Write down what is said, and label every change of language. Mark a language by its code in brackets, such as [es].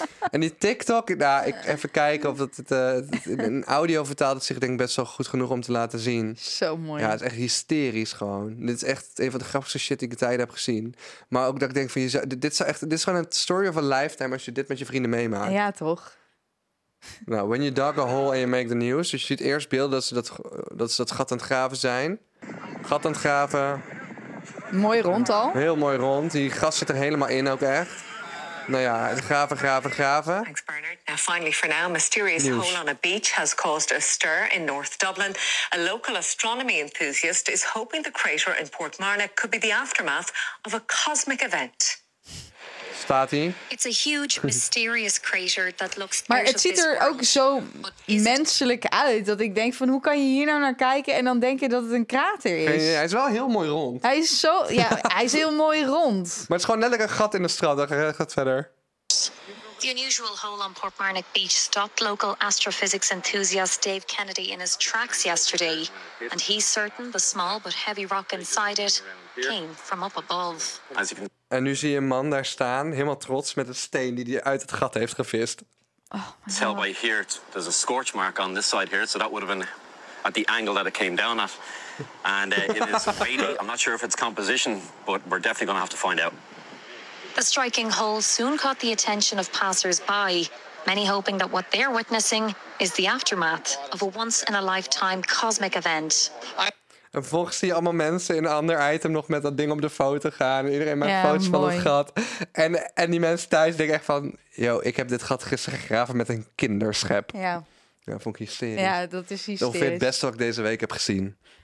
[nl] En die TikTok, nou, ik even kijken of dat een audio vertaalt. Dat zich denk ik best wel goed genoeg om te laten zien. Zo mooi. Ja, het is echt hysterisch gewoon. Dit is echt een van de grappigste shit die ik de tijd heb gezien. Maar ook dat ik denk van, dit is gewoon een [en] story of a lifetime [nl] als je dit met je vrienden meemaakt. Ja, toch? [en] Nou, when you dug a hole and you make the news. [nl] Dus je ziet eerst beelden dat ze dat gat aan het graven zijn. Gat aan het graven. Mooi rond al. Heel mooi rond. Die gast zit er helemaal in ook echt. Nou ja, graven. [en] Thanks, Bernard. Now, finally for now, a mysterious hole on a beach has caused a stir in North Dublin. A local astronomy enthusiast is hoping the crater in Portmarnock could be the aftermath of a cosmic event. [nl] staat hij. [en] It's a huge mysterious crater that looks. [nl] Maar het ziet er ook zo menselijk uit dat ik denk van hoe kan je hier nou naar kijken en dan denk je dat het een krater is. Ja, hij is wel heel mooi rond. Hij is zo ja, hij is heel mooi rond. Maar het is gewoon letterlijk een gat in de straat. Dat gaat verder. [en] The unusual hole on Portmarnock Beach stopped local astrophysics enthusiast Dave Kennedy in his tracks yesterday. And he's certain the small but heavy rock inside it came from up above. [nl] En nu zie je een man daar staan, helemaal trots met een steen die hij uit het gat heeft gevist. [en] Tell by here, there's a scorch mark on this side here, so that would have been at the angle that it came down at. And it is wavy. I'm not sure if it's composition, but we're definitely going to have to find out. The striking hole soon caught the attention of passers-by, many hoping that what they're witnessing is the aftermath of a once-in-a-lifetime cosmic event. [nl] En vervolgens zie je allemaal mensen in een ander item nog met dat ding op de foto gaan. Iedereen maakt foto's van het gat. En die mensen thuis denken echt van, yo, ik heb dit gat gisteren gegraven met een kinderschep. Ja. Ja, vond ik hysterisch. Ja, dat is hysterisch. Ongeveer het beste wat ik deze week heb gezien.